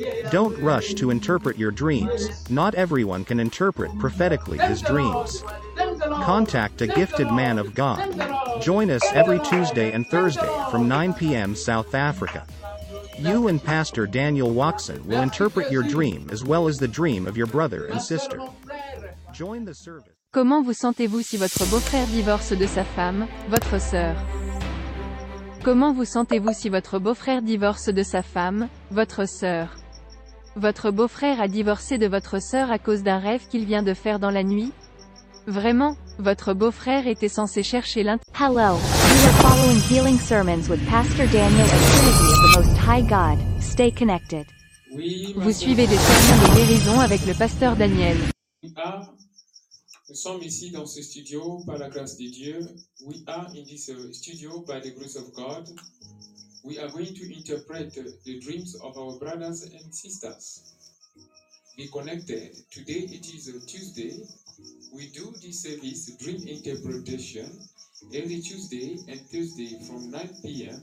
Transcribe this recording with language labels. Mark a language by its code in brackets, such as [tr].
[en] Don't rush to interpret your dreams. Not everyone can interpret prophetically his dreams. Contact a gifted man of God. Join us every Tuesday and Thursday from 9 p.m. South Africa. You and Pastor Daniel Waxon will interpret your dream as well as the dream of your brother and sister. Join the service. [fr] Comment vous sentez-vous si votre beau-frère divorce de sa femme, votre sœur? Comment vous sentez-vous si votre beau-frère divorce de sa femme, votre sœur? Votre beau-frère a divorcé de votre sœur à cause d'un rêve qu'il vient de faire dans la nuit? Vraiment, votre beau-frère était censé chercher [en] Hello, we are following healing sermons with Pastor Daniel and Trinity of the Most High God. Stay connected. [fr] Vous suivez des sermons de guérison avec le pasteur Daniel. Nous sommes ici dans ce studio par la grâce de Dieu. [en] We are in this studio by the grace of God. We are going to interpret the dreams of our brothers and sisters. Be connected. Today it is Tuesday, we do this service, Dream Interpretation, every Tuesday and Thursday from 9 p.m.